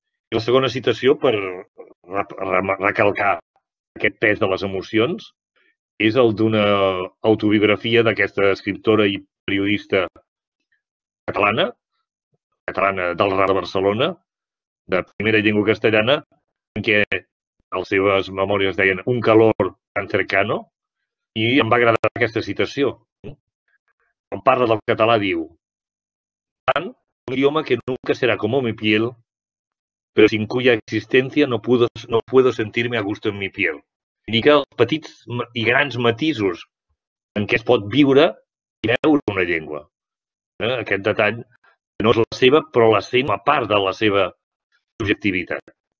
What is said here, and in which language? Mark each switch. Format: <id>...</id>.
<ca>I la segona citació, per recalcar aquest pes de les emocions, és el d'una autobiografia d'aquesta escriptora i periodista catalana, catalana del Raval de Barcelona, de primera llengua castellana, en què les seves memòries deien un calor tan cercano, i em va agradar aquesta citació. Quan parla del català, diu:</ca> <es>tant un idioma que nunca será como mi piel, pero sin cuya existencia no puedo sentirme a gusto en mi piel.</es> <ca>Indica els petits i grans matisos en què es pot viure i veure una llengua. Aquest detall no és la seva, però la sent a part de la seva subjectivitat.</ca>